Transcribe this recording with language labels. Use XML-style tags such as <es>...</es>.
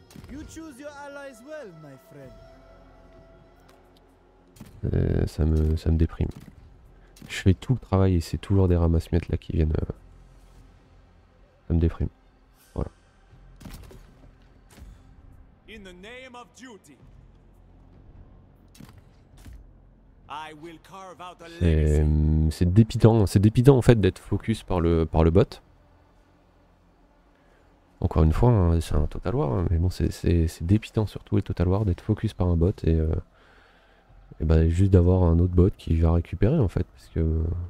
<en>You choose your allies well, my friend.</en> <fr>Ça me déprime. Je fais tout le travail et c'est toujours des ramasse-miettes là qui viennent. Ça me déprime. Voilà.</fr> <en>In the name of duty, I will carve out a legacy.</en> <fr>C'est dépitant en fait d'être focus par le bot. Encore une fois, hein, c'est un Total War, hein, mais bon, c'est dépitant surtout et Total War d'être focus par un bot et. Et bah juste d'avoir un autre bot qui va récupérer en fait, parce que...</fr>